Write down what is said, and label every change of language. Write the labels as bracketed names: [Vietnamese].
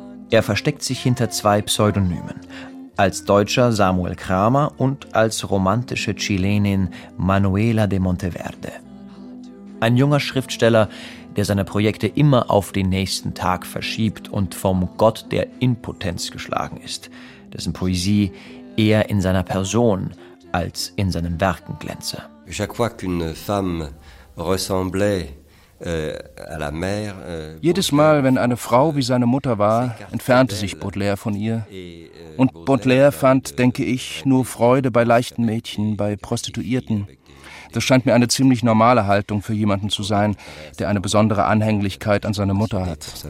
[German] Er versteckt sich hinter zwei Pseudonymen, als Deutscher Samuel Kramer und als romantische Chilenin Manuela de Monteverde. Ein junger Schriftsteller, der seine Projekte immer auf den nächsten Tag verschiebt und vom Gott der Impotenz geschlagen ist, dessen Poesie eher in seiner Person als in seinen Werken glänze. [French] Chaque fois qu'une femme ressemblait à la mère, [German] jedes Mal, wenn eine Frau wie seine Mutter war, entfernte sich Baudelaire von ihr. Und Baudelaire fand, denke ich, nur Freude bei leichten Mädchen, bei Prostituierten. Das scheint mir eine ziemlich normale Haltung für jemanden zu sein, der eine besondere Anhänglichkeit an seine Mutter hat.